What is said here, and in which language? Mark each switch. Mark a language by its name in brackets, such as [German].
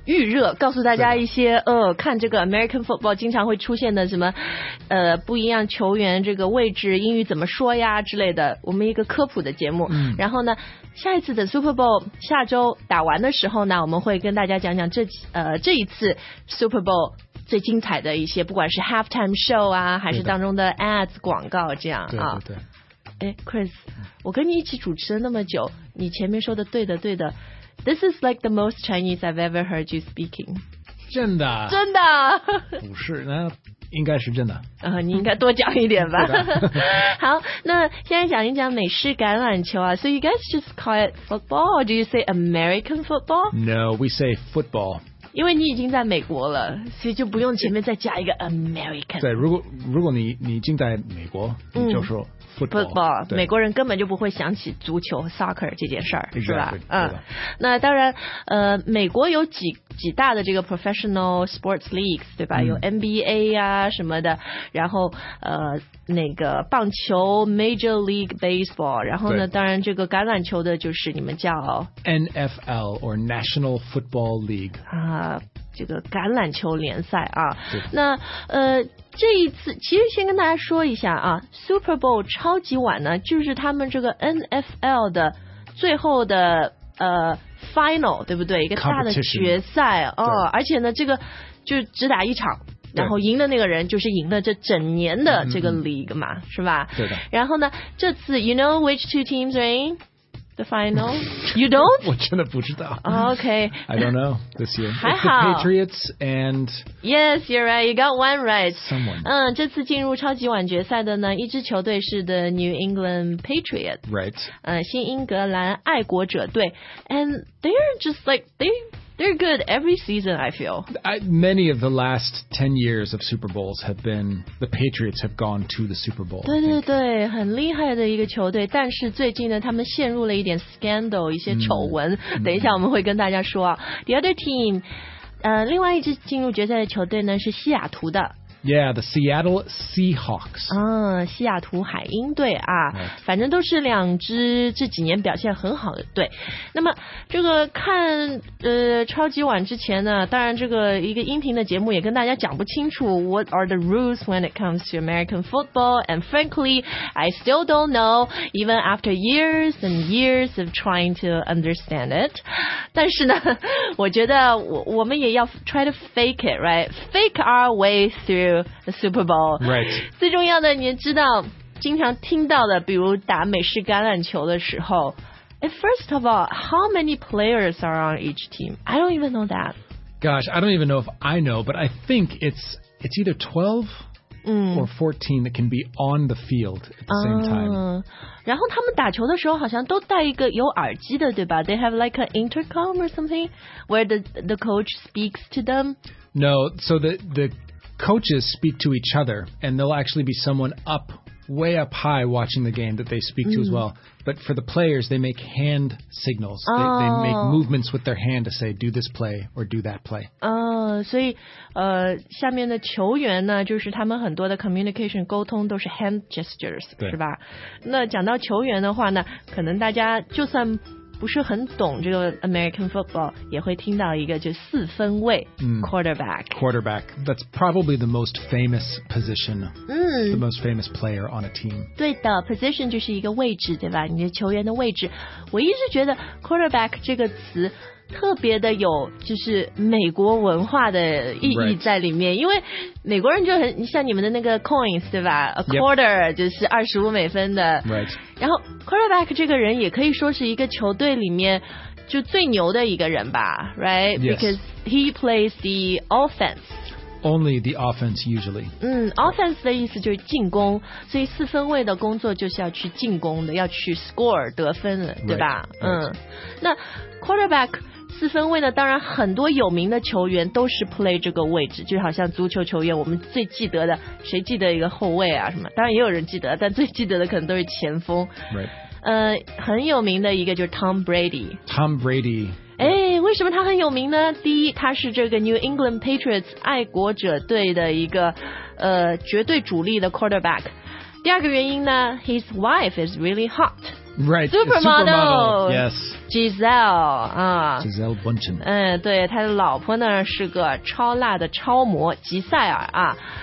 [Chinese] 预热告诉大家一些看这个 American Football 经常会出现的什么不一样球员这个位置英语怎么说呀之类的，我们一个科普的节目。然后呢下一次的 Super Bowl 下周打完的时候呢，我们会跟大家讲讲这一次 Super Bowl最精彩的一些，不管是 Halftime Show 啊还是当中的 Ads 广告这样。对对对啊，哎 Chris， 我跟你一起主持了那么久，你前面说的对的对的， [English] This is like the most Chinese I've ever heard you speaking. [Chinese] 真的？真的？不是，那应该是真的。你应该多讲一点吧。好，那现在讲一讲美式橄榄球啊。 [English] So you guys just call it football, or do you say American football? No, we say football. [Chinese] 因为你已经在美国了，所以就不用前面再加一个 American。对，如果你已经在美国，你就说。 Football， 美国人根本就不会想起足球 soccer 这件事儿， [English] exactly， [Chinese] 是吧？嗯，那当然，美国有几大的这个 [English] professional sports leagues， [Chinese] 对吧？有 NBA 啊什么的，然后那个棒球 Major League Baseball， 然后呢，当然这个橄榄球的就是你们叫 [English] NFL or National Football League [Chinese] 啊。这个橄榄球联赛啊，对，那这一次其实先跟大家说一下啊 ，Super Bowl 超级碗呢，就是他们这个 NFL 的最后的final， 对不对？一个大的决赛哦，而且呢，这个就只打一场，然后赢的那个人就是赢了这整年的这个 league 嘛，是吧？对的。然后呢，这次 [English] You know which two teams are in？ The final? You don't? 我真的不知道。 Okay. I don't know this year. 还好。 The Patriots and... Yes, you're right. You got one right. Someone. [Chinese] 这次进入超级碗决赛的呢，一支球队是 the New England Patriots. [English] Right. [Chinese] 新英格兰爱国者队。 [English] And they're just like, they're good every season, I feel. Many of the last 10 years of Super Bowls have been, the Patriots have gone to the Super Bowl. [Chinese] 对对对，很厉害的一个球队，但是最近呢，他们陷入了一点 scandal, 一些丑闻，等一下我们会跟大家说啊。 [English] The other team, [Chinese] 另外一支进入决赛的球队呢，是西雅图的。 [English] Yeah, the Seattle Seahawks. [Chinese] 西雅图海鹰队啊， [English] right. [Chinese] 反正都是两支这几年表现很好的队。那么这个看超级碗之前呢，当然这个一个音频的节目也跟大家讲不清楚 [English] What are the rules when it comes to American football? And frankly, I still don't know, even after years and years of trying to understand it. [Chinese] 但是呢，我觉得我们也要 [English] try to fake it, right? Fake our way through. The Super Bowl. Right. [Chinese] 最重要的，你知道，经常听到的，比如打美式橄榄球的时候 ， [English] First of all, how many players are on each team? I don't even know that. Gosh, I don't even know if I know, but I think it's either 12. Or 14 that can be on the field at the same time. [Chinese] 然后他们打球的时候好像都带一个有耳机的，对吧？ [English] They have like an intercom or something where the coach speaks to them. No, so the coaches speak to each other, and there'll actually be someone up, way up high watching the game that they speak to as well. But for the players, they make hand signals. They make movements with their hand to say, do this play or do that play. [Chinese] 所以下面的球员呢，就是他们很多的 communication 沟通都是 hand gestures， 是吧？那讲到球员的话呢，可能大家就算不是很懂这个 American football， 也会听到一个就四分卫 quarterback。 [English] Quarterback， that's probably the most famous position， the most famous player on a team。 [Chinese] 对的 ，position 就是一个位置，对吧？你的球员的位置。我一直觉得 quarterback 这个词特别的有就是美国文化的意义在里面， [English] right. [Chinese] 因为美国人就很像你们的那个 coins， 对吧 ？A quarter、 [English] yep. [Chinese] 就是25美分的。 [English] Right. [Chinese] 然后 quarterback 这个人也可以说是一个球队里面就最牛的一个人吧 ，right？ [English] Yes. Because he plays the offense. only the offense usually. [Chinese] 嗯 ，offense 的意思就是进攻，所以四分卫的工作就是要去进攻的，要去 score 得分的，对吧？ [English] Right. [Chinese] 嗯，那 quarterback 四分卫呢？当然，很多有名的球员都是 play 这个位置，就好像足球球员，我们最记得的，谁记得一个后卫啊？什么？当然也有人记得，但最记得的可能都是前锋。 [English] Right. [Chinese] 很有名的一个就是 Tom Brady。 [English] Tom Brady。 [Chinese] 哎，为什么他很有名呢？第一，他是这个 New England Patriots 爱国者队的一个绝对主力的 quarterback。第二个原因呢 [English] ，his wife is really hot。 Right, supermodel. Yes, Giselle. Giselle Bundchen. [Chinese] 嗯，对，他的老婆呢是个超辣的超模吉塞尔啊。